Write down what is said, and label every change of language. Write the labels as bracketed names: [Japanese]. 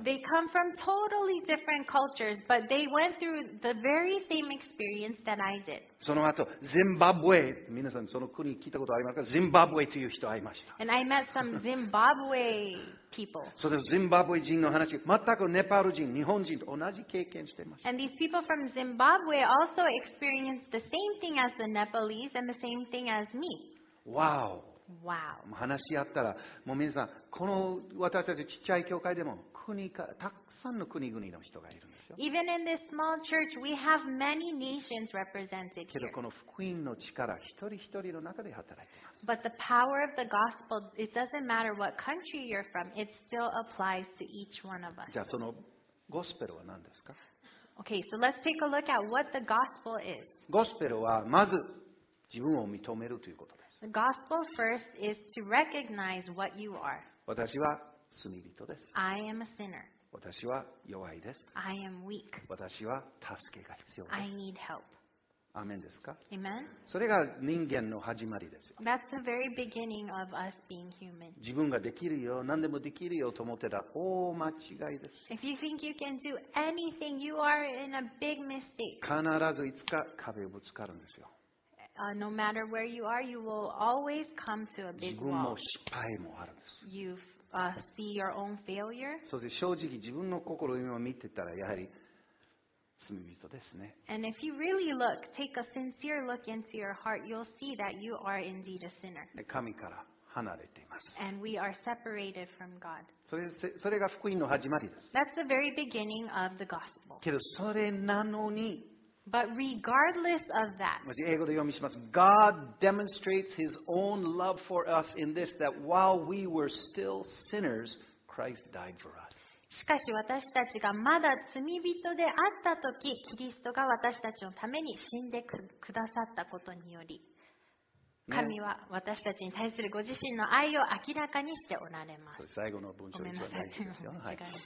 [English] They come from totally different cultures, but they went through the very same experience that besides it. [Japanese] その後、ゼンバブエ、皆さんその国聞いたことありますか？ゼンバブエという人会いました。 [English] And I met some Zimbabwe people. [Japanese] そのゼンバブエ人の話、全くネパール人、日本人と同じ経験していました。 [English] And these people from Zimbabwe also experienced the same thing as the Nepalese and the same thing as me. Wow. Wow. [Japanese] 話し合ったら、もう皆さん、この私たちちっちゃい教会でも、国かたくさんの国々の人がいるんですよ。 [English] Even in this small church, we have many nations represented here. [Japanese] けどこの福音の力、一人一人の中で働いています。 [English] But the power of the gospel, it doesn't matter what country you're from, it still applies to each one of us. [Japanese] じゃあそのゴスペルは何ですか？ [English] Okay, so let's take a look at what the gospel is. [Japanese] ゴスペルはまず自分を認めるということです。 [English] The gospel first is to recognize what you are. [Japanese] 私は罪人です。 [English] I am a sinner. [Japanese] 私は弱いです。 [English] I am weak. [Japanese] 私は助けが必要です。 [English] I need help. [Japanese] アーメンですか？ [English] Amen. [Japanese] それが人間の始まりですよ。 [English] That's the very beginning of us being human. [Japanese] 自分ができるよ、何でもできるよと思ってたら大間違いです。 [English] If you think you can do anything, you are in a big mistake. [Japanese] 必ずいつか壁をぶつかるんですよ。 [English] No matter where you are, you will always come to a big wall. [Japanese] 自分も失敗もあるんです。 [English] See your own failure. [Japanese] そして正直自分の心を今見てたらやはり罪人ですね。 [English] And if you really look, take a sincere look into your heart, you'll see that you are indeed a sinner. [Japanese] 神から離れています。 [English] And we are separated from God. [Japanese] それが福音の始まりです。 [English] That's the very beginning of the gospel. [Japanese] けどそれなのに。 [English] But regardless of that, [Japanese] 英語で読みします。 [English] God demonstrates His own love for us in this, that while we were still sinners, Christ died for us. [Japanese] しかし私たちがまだ罪人であったとき、キリストが私たちのために死んでくださったことにより、神は私たちに対するご自身の愛を明らかにしておられます。それ最後の文章一応大事ですよ。はい。